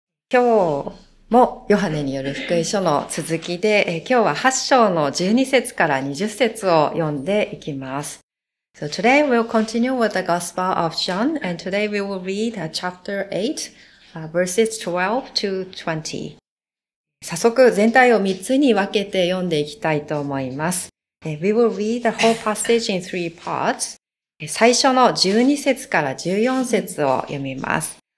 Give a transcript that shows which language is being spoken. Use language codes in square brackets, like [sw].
[ja] 今日もヨハネによる福音書の続きで、今日は8章の12節から20節を読んでいきます。 [en] So today we'll continue with the Gospel of John, and today we will read chapter 8, verses 12 to 20. [ja] 早速全体を3つに分けて読んでいきたいと思います。 [en] We will read the whole passage in three parts. [ja] 最初の12節から14節を読みます。